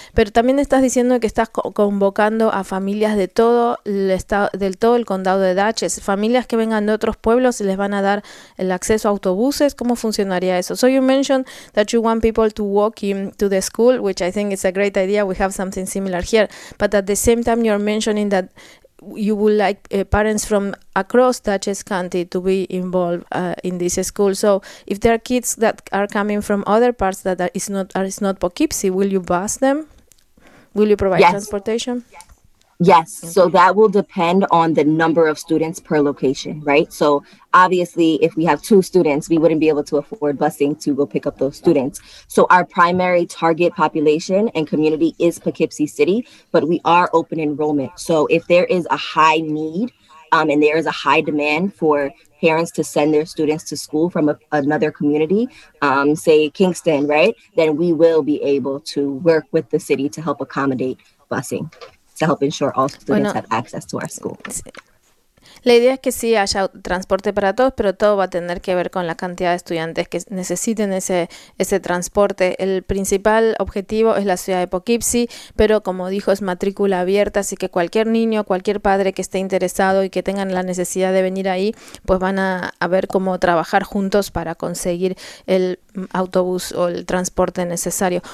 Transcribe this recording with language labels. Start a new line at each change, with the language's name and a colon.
Spanish: Pero también estás diciendo que estás convocando a familias de todo el estado, del todo el condado de Dutchess, familias que vengan de otros pueblos, y les van a dar el acceso a autobuses. ¿Cómo funcionaría eso?
English: So you mentioned that you want people to walk in to the school, which I think is a great idea. We have something similar here. But at the same time, you're mentioning that you would like parents from across Dutchess County to be involved in this school. So if there are kids that are coming from other parts that is not Poughkeepsie, will you bus them? Will you provide transportation? Yes. Okay. So that will depend on the number of students per location, right? So obviously, if we have two students, we wouldn't be able to afford busing to go pick up those students. So our primary target population and community is Poughkeepsie City, but we are open enrollment. So if there is a high need and there is a high demand for parents to send their students to school from another community, say Kingston, right, then we will be able to work with the city to help accommodate busing, to help ensure all students have access to our school.
Spanish: La idea es que sí haya transporte para todos, pero todo va a tener que ver con la cantidad de estudiantes que necesiten ese transporte. El principal objetivo es la ciudad de Poughkeepsie, pero como dijo, es matrícula abierta, así que cualquier niño, cualquier padre que esté interesado y que tengan la necesidad de venir ahí, pues van a ver cómo trabajar juntos para conseguir el autobús o el transporte necesario.